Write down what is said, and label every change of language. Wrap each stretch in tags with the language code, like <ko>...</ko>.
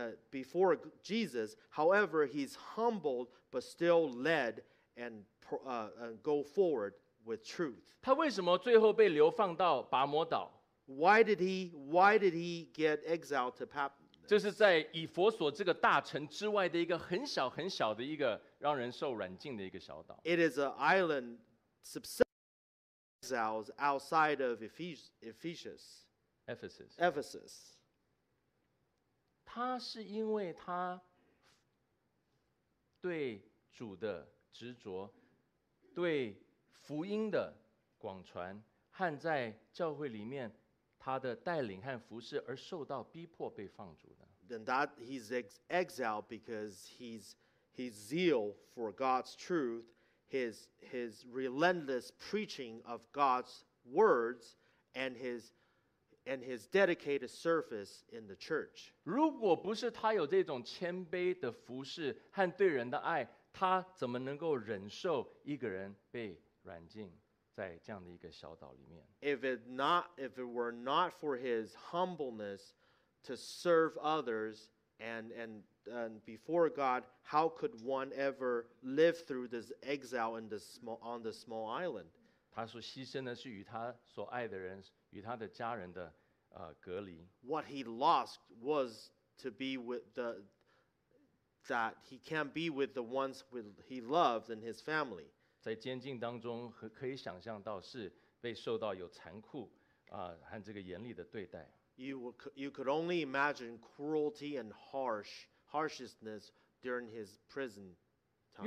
<en>Before Jesus, however, he's humbled but still led and go forward with truth.</en> <zh>他为什么最后被流放到拔摩岛？</zh> <en>Why did he get exiled to Patmos?</en> <zh>这是在以弗所这个大城之外的一个很小很小的一个让人受软禁的一个小岛。</zh> <en>It is an island subsides outside of Ephesus. Ephesus.</en> <zh>他是因为他对主的执着，对福音的广传和在教会里面他的带领和服侍而受到逼迫被放逐的。</zh> <en>then that he's exiled because his zeal for God's truth, his relentless preaching of God's words, and his dedicated service in the church.</en> <zh>如果不是他有这种谦卑的服侍和对人的爱，他怎么能够忍受一个人被软禁在这样的一个小岛里面？</zh> <en>If it were not for his humbleness to serve others and before God, how could one ever live through this exile on the small island?</en> <zh>他所牺牲的是与他所爱的人与他的家人的隔离。</zh> <en>What he lost was to be with the that he can't be with the ones with he loves and his family.</en> <zh>在监禁当中可以想象到是被受到有残酷和这个严厉的对待。</zh> <en>You could only imagine cruelty and harshness during his prison time.</en>